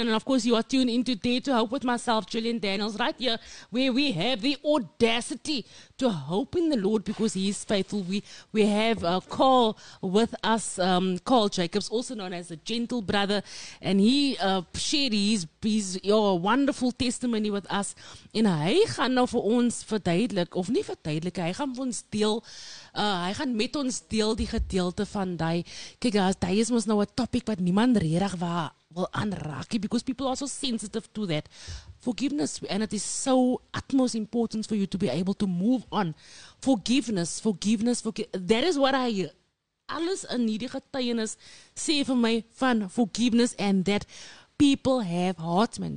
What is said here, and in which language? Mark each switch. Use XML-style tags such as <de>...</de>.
<en>And of course, you are tuned in today to Hope With Myself, Gillian Daniels, right here, where we have the audacity to hope in the Lord because He is faithful. We have a Carl with us, Carl Jacobs, also known as the Gentle Brother. And he shared his your wonderful testimony with us.</en> <af>En hy gaan nou vir ons verduidelik, of nie verduidelik, hy gaan vir ons deel, hy gaan met ons deel die gedeelte van die, kyk, die is ons nou 'n topic wat niemand redig wil aanraak,</af> <en>because people are so sensitive to that. Forgiveness, and it is so utmost important for you to be able to move on. Forgiveness, that is what I,</en> <af>alles in die getuienis, sê vir my van</af> <en>forgiveness, and that people have hearts, man.</en>